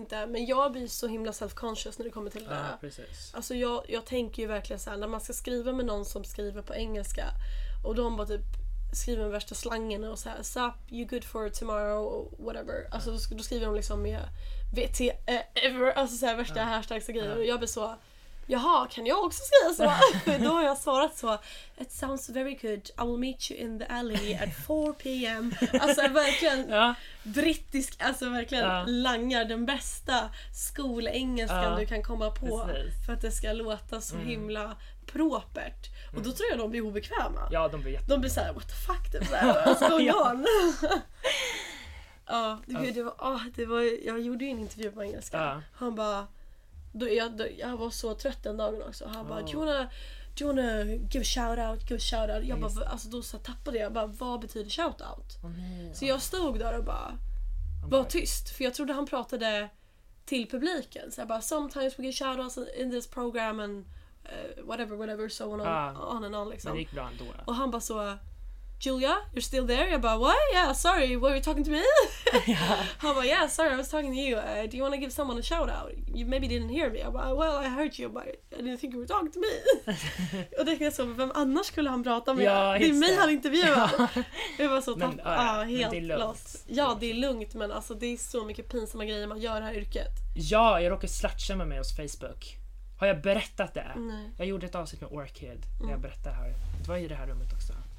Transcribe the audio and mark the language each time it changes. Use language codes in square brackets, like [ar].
[sv] Inte, men jag blir så himla self-conscious när det kommer till det här. Alltså jag tänker ju verkligen så här, när man ska skriva med någon som skriver på engelska och de bara typ skriver med värsta slangen och så här, [en] sup, you good for tomorrow, whatever. [sv] Alltså då skriver de liksom med VT-ever, alltså så här, värsta hashtags och grejer. Och jag blir så, jaha, kan jag också skriva så? Då har jag svarat så, [en] it sounds very good, I will meet you in the alley at 4 p.m. [sv] Alltså verkligen brittisk, alltså verkligen langar den bästa skolengelskan du kan komma på. Precis. För att det ska låta så himla propert. Och då tror jag de blir obekväma. Ja, de blir jätte. De blir såhär, [en] what the fuck, [sv] det är såhär, vad är det? Ja, det, gud, det var, det var, jag gjorde ju en intervju på engelska. Han bara, Jag var så trött den dagen också. Han bara, [en] do you wanna give a shout out, give a shout out. [sv] Jag bara, alltså då så tappade jag bara, vad betyder shout out? Så jag stod där och bara var tyst, för jag trodde han pratade till publiken. Så jag bara, [en] sometimes we give shout outs in this program and whatever so on and on [sv] liksom. Det gick bra ändå. Och han bara så, [en] Julia, you're still there? [sv] Jag bara, [en] what? Yeah, sorry, were you talking to me? [sv] Han bara, [en] yeah, sorry, I was talking to you. Do you want to give someone a shout out? You maybe didn't hear me. [sv] Jag bara, [en] well, I heard you, but I didn't think you were talking to me. [sv] Och det är så, vem annars skulle han prata med? Ja, det är mig han intervjuar. Det var så helt lugnt. Ja, det är lugnt, men alltså, det är så mycket pinsamma grejer man gör här i yrket. Ja, jag råkar slatcha med mig hos Facebook. Har jag berättat det? Nej. Jag gjorde ett avsnitt med Orchid när jag berättade här. Det var i det här rummet också.